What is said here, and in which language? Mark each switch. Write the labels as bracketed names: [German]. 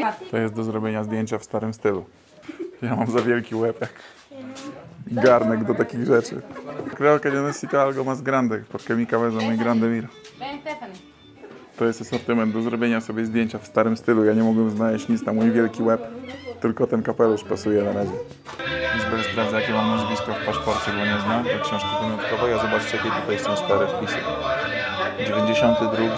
[Polish] To jest do zrobienia zdjęcia w starym stylu. Ja mam za wielki łeb, jak garnek do takich rzeczy. [Spanish] Creo que yo necesito algo más grande, porque mi cabeza muy grande mira. [Polish] To jest asortyment do zrobienia sobie zdjęcia w starym stylu. Ja nie mogłem znaleźć nic na mój wielki łeb. Tylko ten kapelusz pasuje na razie. Izbel sprawdza, jakie mam nazwisko w paszporcie, bo nie zna. To książki pamiątkowe. Ja zobaczcie, jakie tutaj są stare wpisy. 92.